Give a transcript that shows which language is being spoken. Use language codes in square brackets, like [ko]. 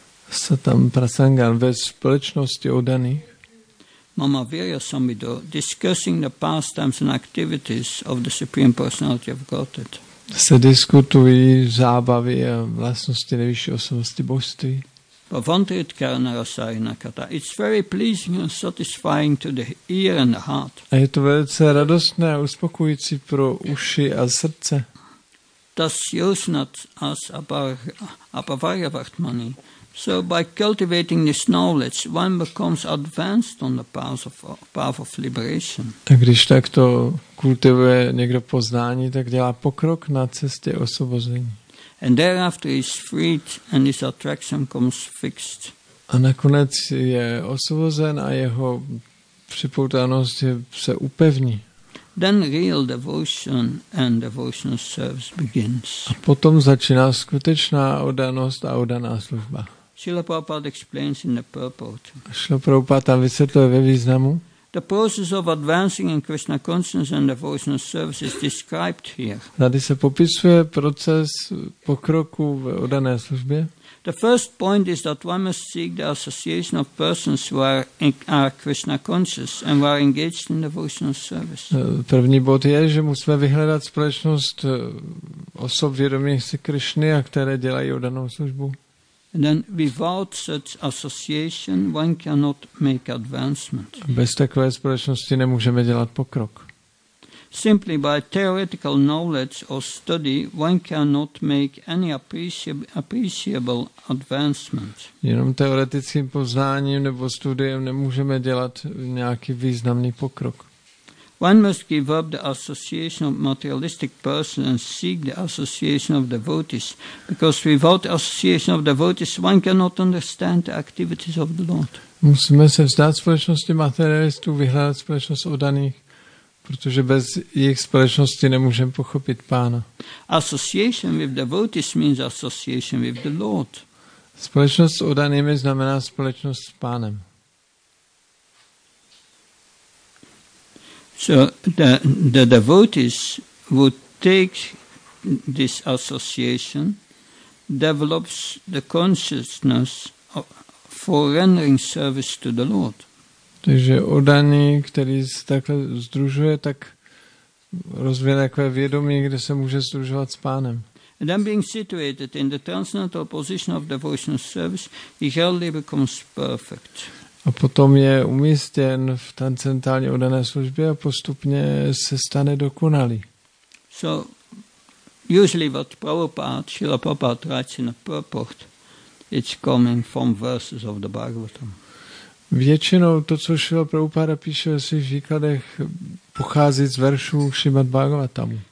[sa] Satam prasangam, [cs] ve společnosti oddaných. [sa] Mama virya samvido, [en] discussing the pastimes and activities of the Supreme Personality of Godhead. [cs] Se diskutují zábavy a vlastnosti nejvyšší osobnosti božství. [sa] Bhavantrit karna rasayana kata. [en] It's very pleasing and satisfying to the ear and the heart. [cs] A je to velice radostné a uspokojující pro uši a srdce. [sa] Das yosnat as apavarya vartmani. [en] So by cultivating this knowledge, one becomes advanced on the path of liberation. [cs] Tak když takto kultivuje někdo poznání, tak dělá pokrok na cestě osvobození. [en] And thereafter is freed and his attraction comes fixed. [cs] A nakonec je osvobozen a jeho připoutanost se upevní. [en] Then real devotion and devotional service begins. [cs] A potom začíná skutečná oddanost a oddaná služba. [en] Srila Prabhupada explains in the purport. [cs] Srila Prabhupada tam vysvětluje ve významu. [en] The process of advancing in Krishna consciousness and devotional service is described here. [cs] Tady se popisuje proces pokroku v oddané službě. [en] The first point is that one must seek the association of persons who are Krishna conscious and who are engaged in devotional service. [cs] První bod je, že musíme vyhledat společnost osob vědomých si Krishny a které dělají oddanou službu. [en] And then without such association one cannot make advancement. [cs] Bez takové společnosti nemůžeme dělat pokrok. [en] Simply by theoretical knowledge or study one cannot make any appreciable advancement. [cs] Jenom teoretickým poznáním nebo studiem nemůžeme dělat nějaký významný pokrok. [en] One must give up the association of materialistic persons and seek the association of devotees, because without the association of devotees, one cannot understand the activities of the Lord. [cs] Musíme se vzdát společnosti materialistů, vyhledat společnost oddaných, protože bez jejich společnosti nemůžeme pochopit Pána. [en] Association with devotees means association with the Lord. [cs] Společnost s oddanými znamená společnost s Pánem. [en] So the devotees would take this association, develops the consciousness for rendering service to the Lord. [cs] Takže oddaný, který se takhle združuje, tak rozvíjí takové vědomí, kde se může združovat s Pánem. [en] And then being situated in the transcendental position of devotional service, he hardly becomes perfect. [cs] A potom je umístěn v transcendentální oddané službě a postupně se stane dokonalý. [en] So, usually what Prabhupada, Srila Prabhupada writes in a purport, it's coming from verses of the Bhagavatam. [cs] Většinou to, co Srila Prabhupada píše ve svých výkladech, pochází z veršů Srimad Bhagavatamu.